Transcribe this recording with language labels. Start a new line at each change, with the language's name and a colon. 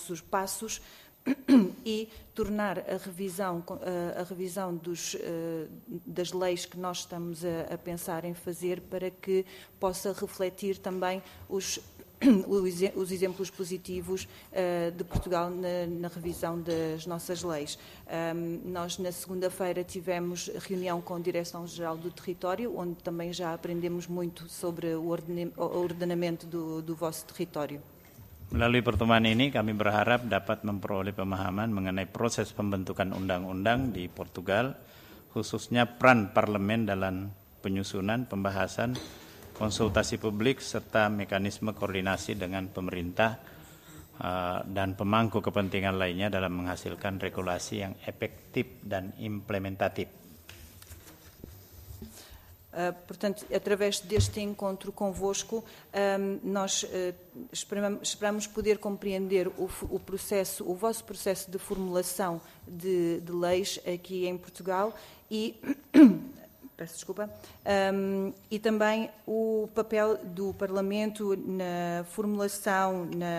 Portuguese: passos e tornar a revisão das leis que nós estamos a pensar em fazer, para que possa refletir também os exemplos positivos de Portugal na revisão das nossas leis. Nós, na segunda-feira, tivemos reunião com a Direção-Geral do Território, onde também já aprendemos muito sobre o ordenamento do vosso território.
Indonesian: Melalui pertemuan ini, kami berharap dapat memperoleh pemahaman mengenai proses pembentukan undang-undang di Portugal, khususnya peran parlemen dalam penyusunan, pembahasan, konsultasi publik serta mekanisme koordinasi dengan pemerintah dan pemangku kepentingan lainnya dalam menghasilkan regulasi yang efektif dan implementatif.
Portuguese: Portanto, através deste encontro convosco, nós esperamos poder compreender o vosso processo de formulação de leis aqui em Portugal e peço desculpa, e também o papel do Parlamento na formulação,